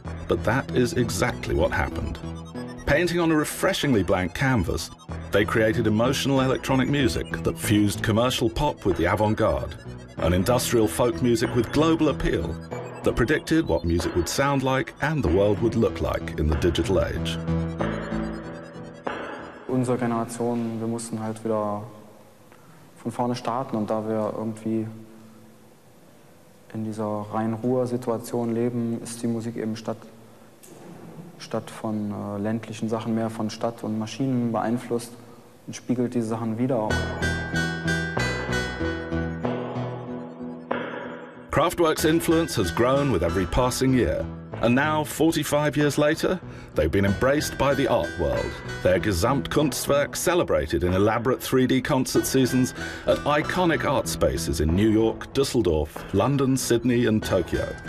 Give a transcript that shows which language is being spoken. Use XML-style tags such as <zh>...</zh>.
<en>But that is exactly what happened. Painting on a refreshingly blank canvas, they created emotional electronic music that fused commercial pop with the avant-garde, and industrial folk music with global appeal that predicted what music would sound like and the world would look like in the digital age.</en> <de>Unsere Generation, wir mussten halt wieder von vorne starten, und da wir irgendwie in dieser Rhein-Ruhr-Situation leben, ist die Musik eben statt von ländlichen Sachen mehr von Stadt und Maschinen beeinflusst und spiegelt diese Sachen wieder.</de> <en>Kraftwerk's influence has grown with every passing year. And now, 45 years later, they've been embraced by the art world, their Gesamtkunstwerk celebrated in elaborate 3D concert seasons at iconic art spaces in New York, Düsseldorf, London, Sydney and Tokyo.</en>